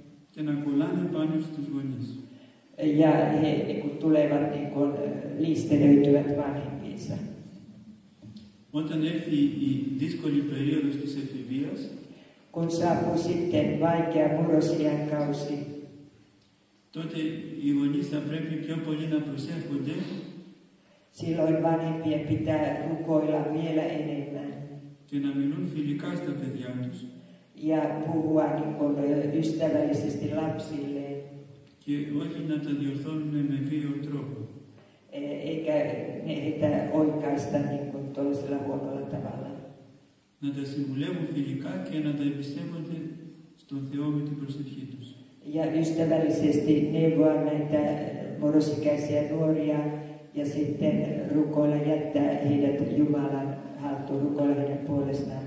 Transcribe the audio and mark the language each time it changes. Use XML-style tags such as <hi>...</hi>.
<el>Και να κολλάνε πάνω στους γονείς.</el> <fi>Ja he niin kun tulevat niin kun listelöityvät vanhempiinsa.</fi> <el>Όταν έρθει η δύσκολη περίοδος της εφηβείας,</el> <fi>kun saapuu sitten vaikea murrosiän kausi,</fi> <el>τότε οι γονείς θα πρέπει πιο πολύ να προσεύχονται.</el> <fi>Silloin vanhempien pitää rukoilla vielä enemmän.</fi> <el>Και να μιλούν φιλικά στα παιδιά τους.</el> <fi>Ja puhua niin ystävällisesti lapsille.</fi> <el>Και όχι να τα διορθώνουν με βίαιο τρόπο.</el> <fi>Eikä ne heitä oikaista niin kuin toisella huonolla tavalla.</fi> <el>Να τα συμβουλεύουν φιλικά και να τα εμπιστεύονται στον Θεό με την προσευχή τους.</el> <fi>Ja ystävällisesti neuvoa näitä murrosikäisiä nuoria ja sitten rukoilla jättää heidät Jumalan haltuun, rukoilla heidän puolestaan</fi>